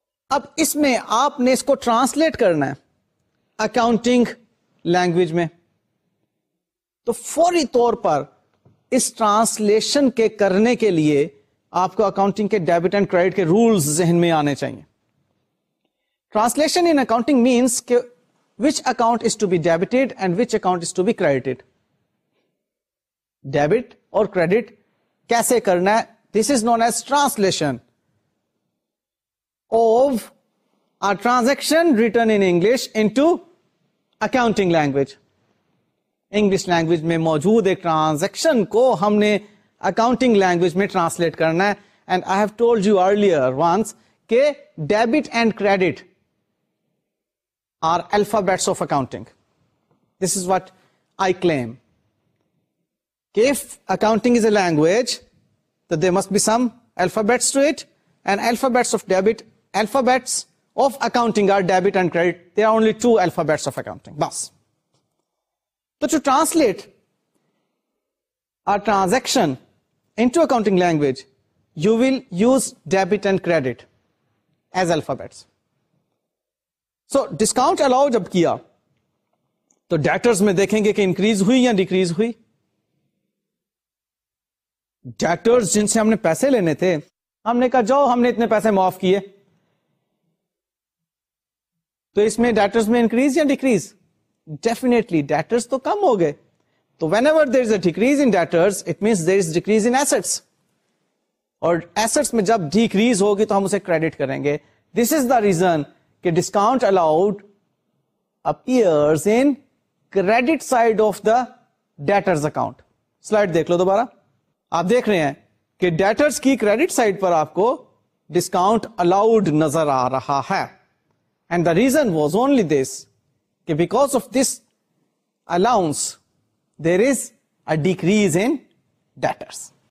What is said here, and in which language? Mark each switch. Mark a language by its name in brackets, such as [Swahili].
[Urdu] اب اس میں آپ نے اس کو ٹرانسلیٹ کرنا ہے اکاؤنٹنگ لینگویج میں, تو فوری طور پر اس ٹرانسلیشن کے کرنے کے لیے آپ کو اکاؤنٹنگ کے ڈیبٹ اینڈ کریڈٹ کے رولز ذہن میں آنے چاہیے. [English] Translation in accounting means کہ which account is to be debited and which account is to be credited. [Urdu] Debit اور کریڈٹ کیسے کرنا ہے, [English] This is known as translation of a transaction written in English into accounting language. [Urdu] English language میں موجود ایک transaction کو ہم نے اکاؤنٹنگ لینگویج میں ٹرانسلیٹ کرنا ہے. [English] And I have told you earlier once کہ debit and credit are alphabets of accounting. This is what I claim. If accounting is a language, then there must be some alphabets to it, and alphabets of debit, alphabets of accounting are debit and credit. There are only two alphabets of accounting. Bas. So to translate a transaction into accounting language, you will use debit and credit as alphabets. [Urdu] So, discount allow جب کیا تو debtors میں دیکھیں گے کہ increase ہوئی یا decrease ہوئی. debtors جن سے ہم نے پیسے لینے تھے, ہم نے کہا جاؤ ہم نے اتنے پیسے معاف کیے, تو اس میں debtors میں increase یا decrease؟ Definitely debtors تو کم ہو گئے. [English] تو whenever there is a decrease in debtors it means there is decrease in assets, [Urdu] اور assets میں جب decrease ہوگی تو ہم اسے credit کریں گے. [English] This is the reason discount allowed appears in credit side of the debtors account. [Urdu] Slide دیکھ لو دوبارہ, آپ دیکھ رہے ہیں کہ ڈیٹرز کی کریڈٹ سائڈ پر آپ کو ڈسکاؤنٹ الاؤڈ نظر آ رہا ہے. [English] And the reason was only this کہ because of this allowance there is a decrease in debtors.